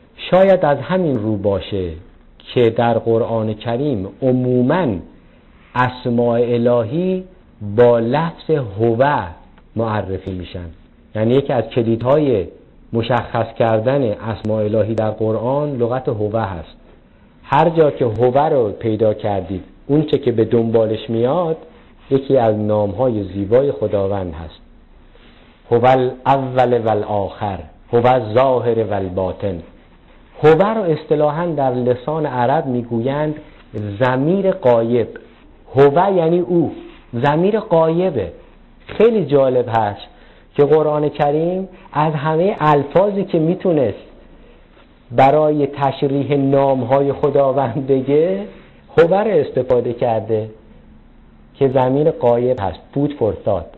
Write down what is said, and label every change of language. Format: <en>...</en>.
<fa>شاید از همین رو باشه که در قرآن کریم عموماً اسماء الهی با لفظ هو معرفی میشن. یعنی یکی از کلیدهای مشخص کردن اسماء الهی در قرآن لغت هو هست. هر جا که هو رو پیدا کردید، اون چه که به دنبالش میاد یکی از نامهای زیبای خداوند هست.</fa> <ar>هو الاول و الاخر، هو الظاهر و الباطن.</ar> <fa>هو رو اصطلاحاً در لسان عرب میگویند ضمیر غایب. هو یعنی او، ضمیر غایبه. خیلی جالب هست که قرآن کریم از همه الفاظی که میتونست برای تشریح نامهای خداوند بگه، هو رو استفاده کرده که ضمیر غایب هست. بود فرستاد.</fa>